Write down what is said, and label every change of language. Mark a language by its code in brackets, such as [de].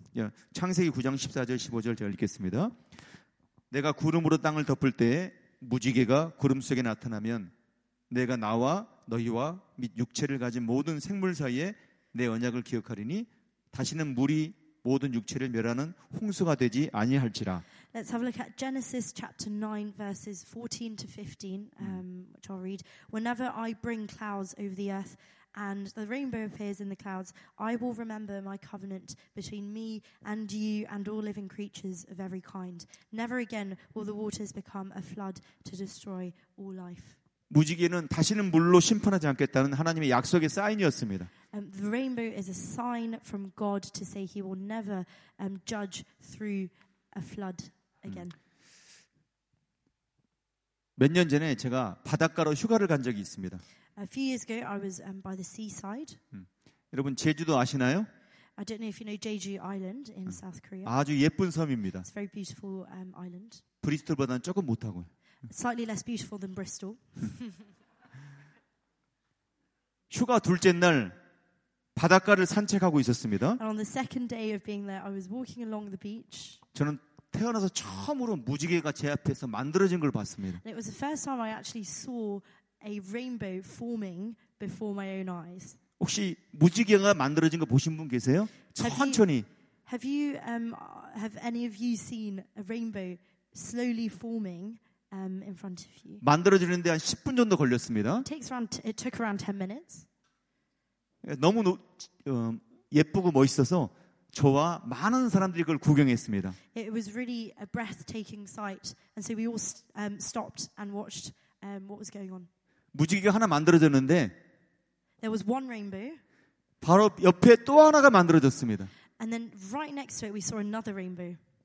[ko] 예, 창세기 9장 14절 15절 제가 읽겠습니다. 내가 구름으로 땅을 덮을 때에 무지개가 구름 속에 나타나면 내가 나와 너희와 및 육체를 가진 모든 생물 사이에 내 언약을 기억하리니 다시는 물이 모든 육체를 멸하는 홍수가 되지 아니할지라. [en] Let's have a look at Genesis chapter 9 verses 14 to 15 which I'll read. Whenever I bring clouds over the earth and the rainbow appears in the clouds, I will remember my covenant between me and you and all living creatures of every kind. Never again will the waters become a flood to destroy all life. [ko] 무지개는 다시는 물로 심판하지 않겠다는 하나님의 약속의 사인이었습니다. [en] The rainbow is a sign from God to say he will never judge through a flood again. [ko] 몇 년 전에 제가 바닷가로 휴가를 간 적이 있습니다. [en] A few years ago, I was by the seaside. [ko] 여러분 제주도 아시나요? [en] I don't know if you know Jeju Island in South Korea. [ko] 아주 예쁜 섬입니다. [en] It's a very beautiful island. [ko] 브리스톨보다는 조금 못하고요. [en] Slightly less beautiful than Bristol. [ko] 휴가 둘째 날 바닷가를 산책하고 있었습니다. [en] And on the second day of being there, I was walking along the beach. [ko] 저는 태어나서 처음으로 무지개가 제 앞에서 만들어진 걸 봤습니다. [en] And it was the first time I actually saw a rainbow forming before my own eyes. [ko] 혹시 무지개가 만들어진 거 보신 분 계세요? 천천히. [en] Have any of you seen a rainbow slowly forming in front of you? [ko] 만들어지는데 한 10분 정도 걸렸습니다. [en] It took around 10 minutes. [ko] 너무 예쁘고 멋있어서 저와 많은 사람들이 그걸 구경했습니다. [en] It was really a breathtaking sight, and so we all stopped and watched what was going on. [ko] 무지개가 하나 만들어졌는데. [en] There was one rainbow. [ko] 바로 옆에 또 하나가 만들어졌습니다. [en] And then right next to it, we saw another rainbow.